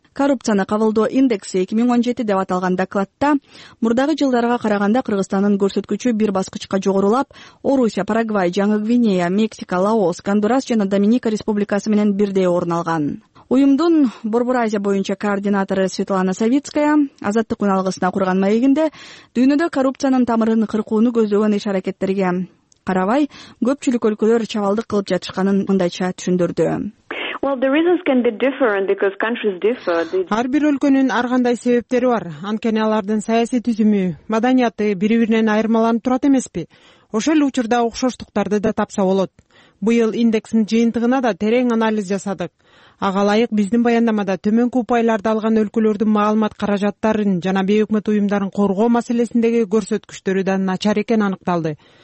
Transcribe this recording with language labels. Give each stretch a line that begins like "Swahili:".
Kyrgyz: Коррупцияны кабылдоо индекси 2017 деп аталган докладта мурдагы жылдарга караганда Кыргызстандын көрсөткүчү бир баскычка жогорулап, Орусия, Парагвай, Жаңы Гвинея, Мексика, Лаос, Гондурас жана Доминика Республикасы менен бирдей орун алган. Уюмдун Борбор Азия боюнча координатору Светлана Савицкая Азаттык уналгысына курган маегинде дүйнөдө коррупциянын тамырын кыркууну көздөгөн иш аракеттерге карабай, көпчүлүк өлкөлөр чабалдык кылып жатышканын мындайча түшүндүрдү.
English: Well, the reasons can be different because countries differ.
Kyrgyz: Ар бир өлкөнүн ар кандай себептери бар. Анткени алардын саясий түзүмү, маданияты бири-биринен айырмаланып турат эмеспи? Ошол эле учурда окшоштуктарды да тапса болот. Быйыл индекстин жыйынтыгына да терең анализ жасадык. Ага ылайык биздин баяндамада төмөнкү упайларды алган өлкөлөрдүн маалымат каражаттарын жана бейөкмөт уюмдарын коргоо маселесиндеги көрсөткүчтөрү да начар экени аныкталды.